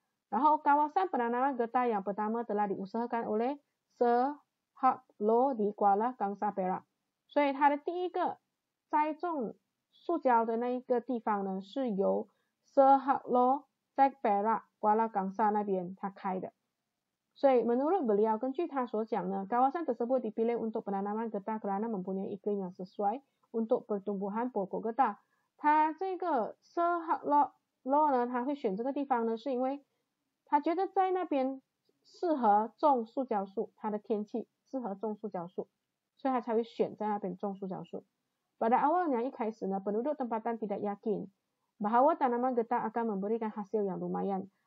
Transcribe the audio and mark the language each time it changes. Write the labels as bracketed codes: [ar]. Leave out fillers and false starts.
[zh] 然后 [ms] kawasan penanaman getah yang pertama telah diusahakan oleh Sir Hart Low di Kuala Kangsar Perak。 [zh] 所以它的第一个栽种塑胶的那一个地方呢，是由 Sir Hart Low 在 Perak Kuala Kangsar 那边他开的。 [ms] 所以 menurut beliau， [zh] 根据他所讲呢， [ms] kawasan tersebut dipilih untuk penanaman getah kerana mempunyai iklim yang sesuai untuk pertumbuhan pokok getah。 [zh] 他这个 Sir Hart Low 呢，他会选这个地方呢，是因为他觉得在那边适合种塑胶树，他的天气适合种塑胶树，所以他才会选在那边种塑胶树。 [ms] Pada awalnya [zh] 一开始呢， [ms] penduduk tempatan tidak yakin bahawa tanaman getah akan memberikan hasil yang lumayan。